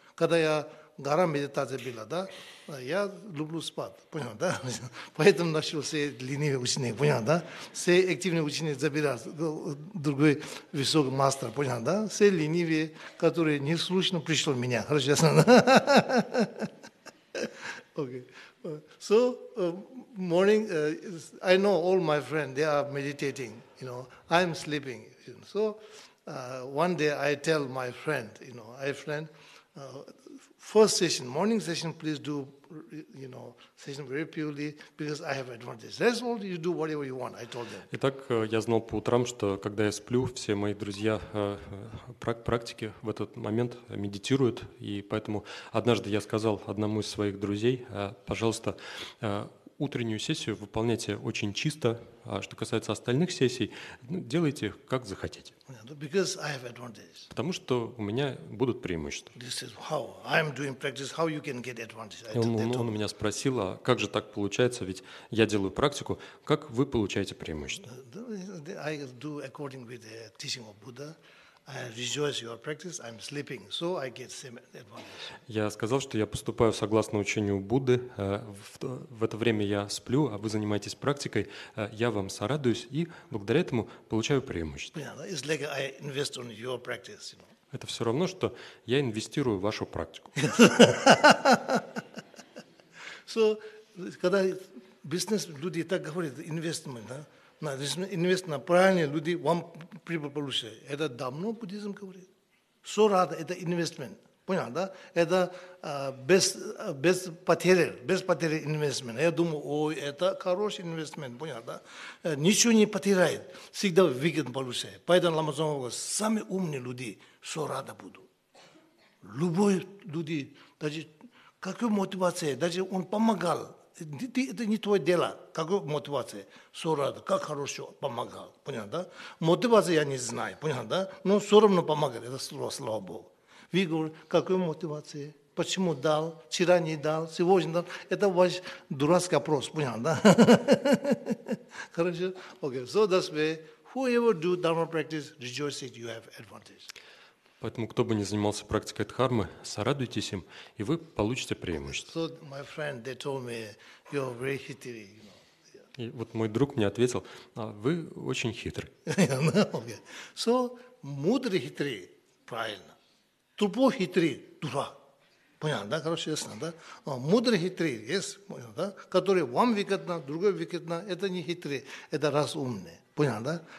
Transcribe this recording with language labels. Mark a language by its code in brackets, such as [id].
[ru] Когда я гора медитации била, да, я люблю спать, понял, да? Поэтому начал все ленивые ученики, понял, да? Все активные ученики забирали другой высокий мастер, понял, да? Все ленивые, которые не слушали, пришли меня, хорошо ясно, да? Окей. [en] So morning, I know all my friends, they are meditating, you know, I'm sleeping. So one day I tell my friend, you know, my friend, first session, morning session, please do, you know, session very purely because I have advantage. That's all, you do whatever you want, I told them. [ru] Итак, я знал по утрам, что когда я сплю, все мои друзья практики в этот момент медитируют, и поэтому однажды я сказал одному из своих друзей, пожалуйста, утреннюю сессию выполняйте очень чисто, а что касается остальных сессий, делайте как захотите. [en] Because I have advantages. [ru] Потому что у меня будут преимущества. [en] This is how I'm doing practice. How you can get advantage? [ru] Он меня спросил, а как же так получается? Ведь я делаю практику. Как вы получаете преимущество? [en] I do according with the teaching of Buddha. I rejoice your practice. I'm sleeping, so I get same advantage. [ru] Я сказал, что я поступаю согласно учению Будды. В это время я сплю, а вы занимаетесь практикой. Я вам сорадуюсь и благодаря этому получаю преимущество. [en] Yeah, it's like I invest on your practice, you know. [ru] Это все равно, что я инвестирую в вашу практику. So, когда бизнес люди так говорят, investment, да? На инвест на правильные люди вам прибыль получают. Это давно буддизм говорит. Сорада – это инвестмент. Понял, да? Это без потери инвестмент. Я думаю, ой, это хороший инвестмент. Понял, да? Ничего не потеряет. Всегда выгодно получает. Поэтому Лама Цзонгпа говорит, самые умные люди сорада будут. Любой люди, даже какой мотивация, даже он помогал. Это не твое дело. Какая мотивация? Все рады. Как хорошо помогал. Понял, да? Мотивация я не знаю. Понял, да? Но все равно помогали. Это слово, слава Богу. Вы говорите, какая мотивация? Почему дал? Вчера не дал? Сегодня дал? Это ваш дурацкий вопрос. Понял, да? Хорошо? Окей. [en] So that's why, whoever do dharma practice, rejoice it, you have advantage. [ru] Поэтому, кто бы ни занимался практикой дхармы, сорадуйтесь им, и вы получите преимущество. [en] So my friend, they told me, you're very hitty, you know. [ru] И вот мой друг мне ответил, вы очень хитрый. [en] Okay. [ru] So, мудрый хитрый, правильно. Тупой хитрый, дурак. Понятно, да? Хорошо, ясно, да? Мудрый хитрый, yes, понятно, да? Который вам выгодно, другой выгодно, это не хитрый, это разумный. Понятно, да?